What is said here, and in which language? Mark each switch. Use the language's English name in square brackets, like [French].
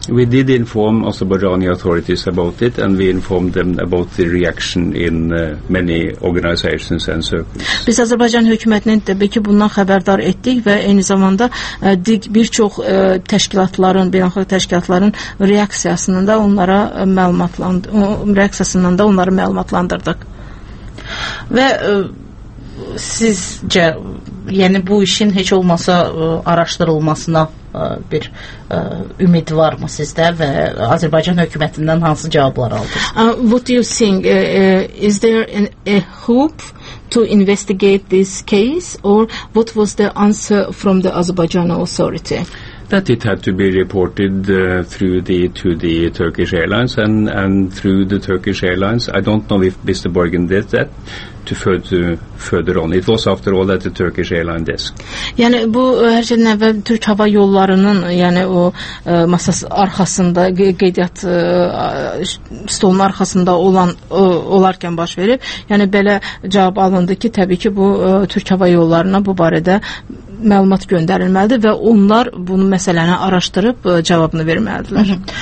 [English] We did inform Azerbaijani authorities about it and we informed them about the reaction in many organizations. [Azerbaijani] Biz Azərbaycan hökumətinin təbii ki bundan xəbərdar etdik və eyni zamanda bir çox təşkilatların, beynəlxalq təşkilatların reaksiyasından da onları məlumatlandırdıq. Və sizcə yəni bu işin heç olmasa araşdırılmasına bir ümid var mı sizdə və Azərbaycan hökumətindən hansı cavablar aldınız? [English] What do you think? Is there a hope to investigate this case or what was the answer from the Azerbaijan authority? That it had to be reported to the Turkish Airlines and through the Turkish Airlines. I don't know if Mr. Borgen did that further on. It was after all at the Turkish Airline desk. [Azerbaijani] Yəni bu hər şeydən əvvəl Türk Hava Yollarının yəni o masası arxasında qeydiyyat stolunun arxasında olan olarkən baş verib. Yəni belə cavab alındı ki, təbii ki bu Türk Hava Yollarına bu barədə məlumat göndərilməlidir və onlar bunu məsələni araşdırıb cavabını verməlidirlər.